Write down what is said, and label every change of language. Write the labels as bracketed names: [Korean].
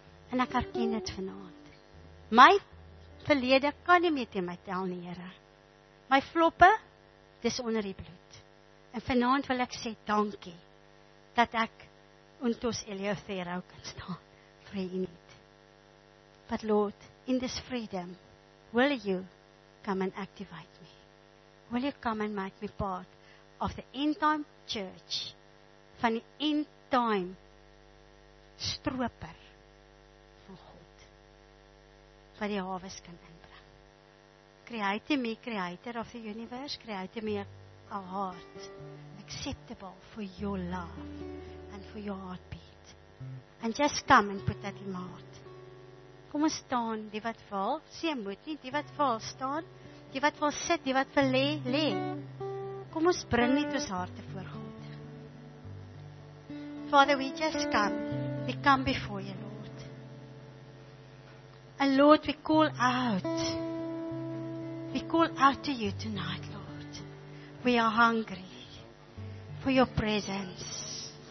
[Afrikaans] En ek herken dit vanavond. My verlede kan nie meer teen my tel nie, Here. My floppe, dis onder die bloed. En vanavond wil ek sê dankie, dat ek untos Eleutherou kan staan, vir jy nie. [English] But Lord, in this freedom, will you come and activate me? Will you come and make me part of the end time church, van die end time stroper van God, wat die hawes kan inbring? Create me, creator of the universe, create me a heart acceptable for your love and for your heartbeat. And just come and put that in my heart. [Afrikaans] Kom ons staan, die wat val, sê moet nie, die wat val, staan, die wat val sit, die wat val le. Kom ons bring net ons harte voor God. [English] Father, we just come, we come before you, Lord. And Lord, we call out to you tonight, Lord. We are hungry for your presence.